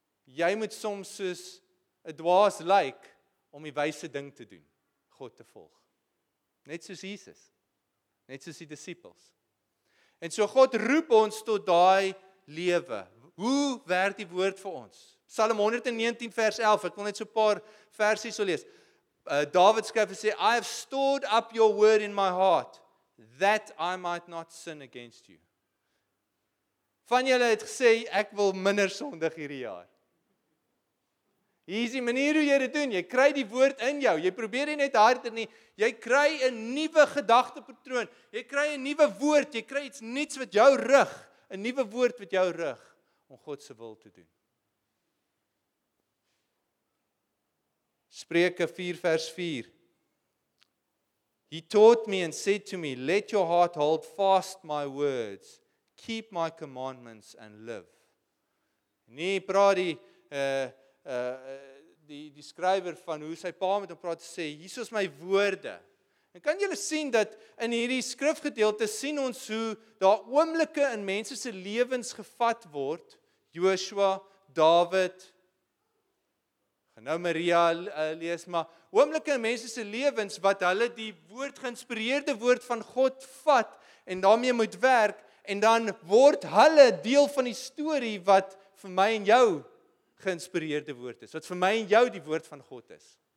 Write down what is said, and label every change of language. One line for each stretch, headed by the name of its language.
Afrikaans: Jy moet soms soos 'n dwaas lyk om die wyse ding te doen, God te volg. Net soos Jesus, net soos die disippels. En so God roep ons tot daai lewe. Hoe werk die woord vir ons? Psalm 119 vers 11, ek wil net so 'n paar versies so lees. David skryf en sê,
English: I have stored up your word in my heart, that I might not sin against you.
Afrikaans: Van julle het gesê, ek wil minder sondig hierdie jaar. Hier is die manier hoe jy dit doen, jy kry die woord in jou, jy probeer dit net harder nie, jy kry 'n nuwe gedagtepatroon, jy kry 'n nuwe woord, jy kry iets niets wat jou rig, 'n nuwe woord wat jou rig, om God se wil te doen. Spreuke 4 vers 4,
English: He taught me and said to me, let your heart hold fast my words, keep my commandments and live.
Afrikaans: Nie praat die skrywer van hoe sy pa met hom praat, sê, hier is my woorde. En kan julle sien dat in hierdie skrifgedeelte sien ons hoe daar oomblikke in mense se lewens gevat word, Joshua, David, nou Maria lees, maar oomblikke in mense se lewens wat hulle die woord geïnspireerde woord van God vat en daarmee moet werk en dan word hulle deel van die storie wat vir my en jou geïnspireerde woord is, wat vir my en jou die woord van God is.